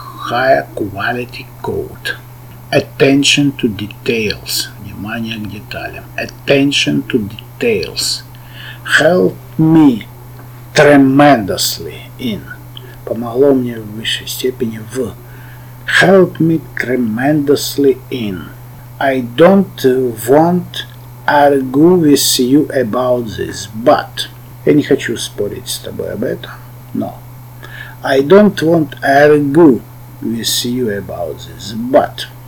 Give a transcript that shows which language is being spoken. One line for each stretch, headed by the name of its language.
English: higher quality code. Attention to details.
Russian: Внимание к деталям.
English: Attention to details. Helped me tremendously in.
Russian: Помогло мне в высшей степени в.
English: Helped me tremendously in. I don't want argue with you about this, but.
Russian: Я не хочу спорить с тобой об этом, но.
English: I don't want argue with you about this, but.